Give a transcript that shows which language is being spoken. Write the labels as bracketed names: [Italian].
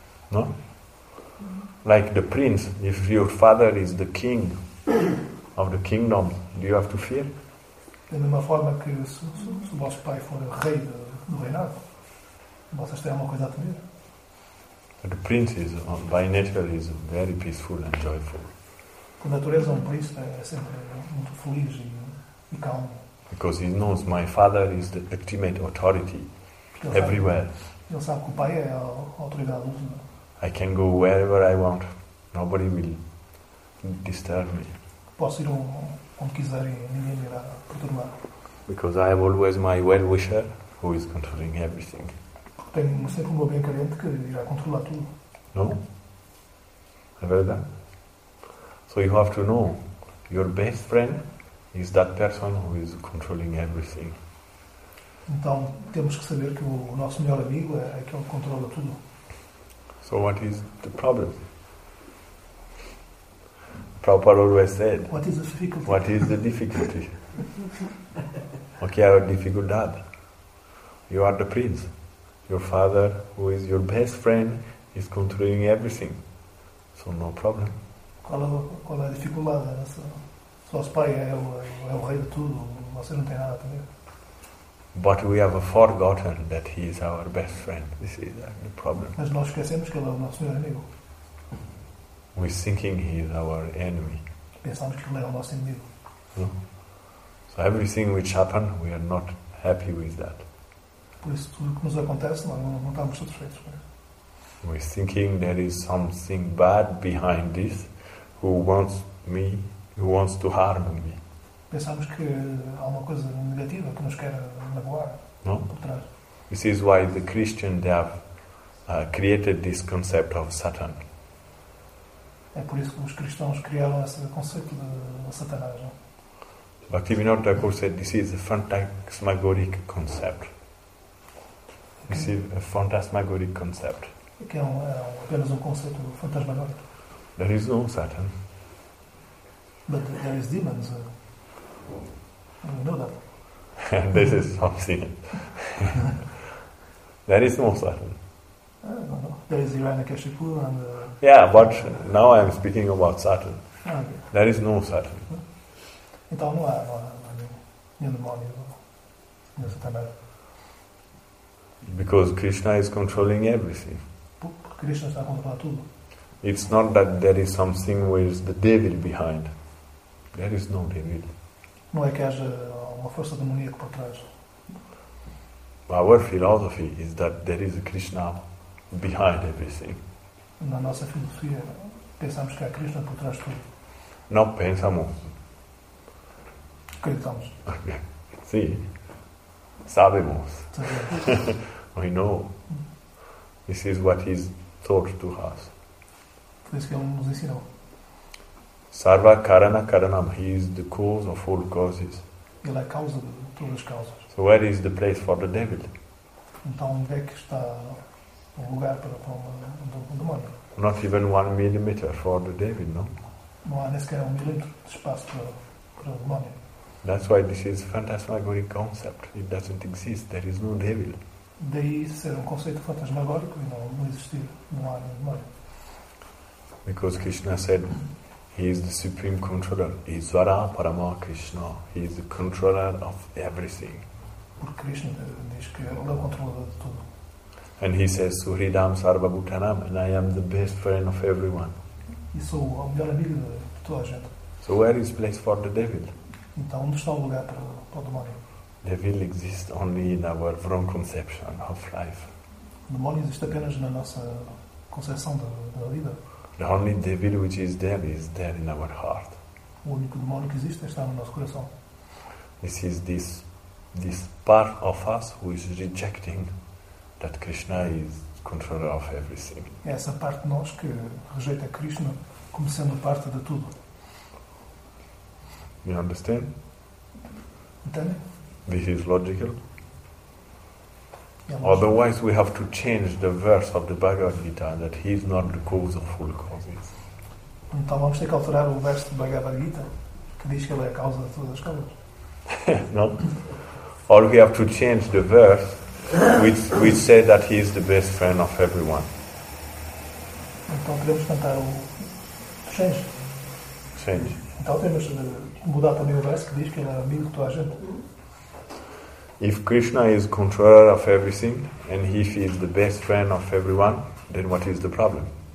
[English] No? Like the prince, if your father is the king of the kingdom, do you have to fear? [Portuguese] Da mesma forma que se o vosso pai for rei do reinado, vocês têm alguma coisa a temer? [English] The prince is, by nature, is very peaceful and joyful. [Portuguese] Por natureza, príncipe é sempre muito feliz e calmo. [English] Because he knows my father is the ultimate authority everywhere. [Portuguese] Ele sabe que o pai é a autoridade última. [English] I can go wherever I want. Nobody will disturb me. [Portuguese] Posso ir onde quiser e ninguém me irá perturbar. [English] Because I have always my well-wisher who is controlling everything. [Portuguese] Tenho sempre um bem carente que irá controlar tudo. Não? É verdade? [English] So you have to know, your best friend is that person who is controlling everything. [Portuguese] Então temos que saber que o nosso melhor amigo é aquele que controla tudo. [English] So what is the problem? Prabhupada always said, what is the difficulty? What is the difficulty? Okay, [Portuguese] a dificuldade. [English] You are the prince. Your father, who is your best friend, is controlling everything. So no problem. [Portuguese] Qual é a dificuldade? Se o vosso pai é o rei de tudo, você não tem nada a temer. [English] But we have forgotten that he is our best friend. This is the problem. [Portuguese] Mas nós esquecemos que ele é o nosso melhor amigo. [English] We're thinking he is our enemy. [Portuguese] Pensamos que ele é o nosso inimigo. [English] No? So everything which happened, we are not happy with that. [Portuguese] Por isso, tudo o que nos acontece, nós não estamos satisfeitos com isso. [English] We're thinking there is something bad behind this, who wants to harm me. [Portuguese] Pensamos que há uma coisa negativa que nos quer magoar. [English] No? [Portuguese] Por trás. [English] This is why the Christians have created this concept of Satan. [Portuguese] É por isso que os cristãos criaram esse conceito de Satanás. [English] Bhaktivinoda Thakur said this is a phantasmagoric concept. This is a phantasmagoric concept. [Portuguese] Que é apenas um conceito fantasmagórico. [English] There is no Satan. But there is demons. We know that. This is something. There is no Satan. There is Hiranyakashipu and... Yeah, but now I am speaking about Satan. Okay. There is no Satan. [Portuguese] Então não há nenhum demônio no Satan. [English] Because Krishna is controlling everything. [Portuguese] Krishna está a controlar tudo. [English] It's not that there is something with the devil behind. There is no devil. [Portuguese] Não é que haja uma força demoníaca por trás. [English] Our philosophy is that there is a Krishna behind everything. [Portuguese] Na nossa filosofia pensamos que há Krishna por trás de tudo. Não pensamos. Acreditamos. Sim. Sabemos. [English] We know. This is what he's taught to us. [Portuguese] Por isso que ele nos ensinou. [Sanskrit] Sarva karana karanam. [English] He is the cause of all causes. [Portuguese] Ele é a causa de todas as causas. [English] So where is the place for the devil? [Portuguese] Então onde é que está o lugar para o demônio? [English] Not even 1 millimeter for the devil, no? [Portuguese] Não há nem sequer 1 millimeter de espaço para o demônio. [English] That's why this is a phantasmagoric concept. It doesn't exist. There is no devil. [Portuguese] Daí ser um conceito fantasmagórico e não existir. Não há nenhum demônio. [English] Because Krishna said, he is the supreme controller. [Sanskrit] Isvara Parama Krishna. [English] He is the controller of everything. [Portuguese] Porque Krishna diz que ele é o controlador de tudo. [English] And he says, [Sanskrit] Suhridam Sarva Bhutanam. [English] And I am the best friend of everyone. [Portuguese] E sou o melhor amigo de toda a gente. [English] So where is place for the devil? [Portuguese] Então, onde está o lugar para o demónio? [English] Devil exists only in our wrong conception of life. [Portuguese] O demónio existe apenas na nossa concepção da vida. [English] The only devil which is there in our heart. [Portuguese] O único demónio que existe está no nosso coração. [English] This is this part of us who is rejecting that Krishna is controller of everything. [Portuguese] É essa parte de nós que rejeita Krishna como sendo parte de tudo. [English] You understand? [Portuguese] Entende? [English] This is logical. Otherwise, we have to change the verse of the Bhagavad Gita that he is not the cause of all causes. [Portuguese] Então vamos ter que alterar o verso do Bhagavad Gita que diz que ele é a causa de todas as causas. [English] No. Or we have to change the verse which says that he is the best friend of everyone. [Portuguese] Então podemos cantar o change. [English] Change. [Portuguese] Então temos de mudar também o verso que diz que ele é amigo de toda a gente. [English] If Krishna is controller of everything and if he is the best friend of everyone, then what is the problem?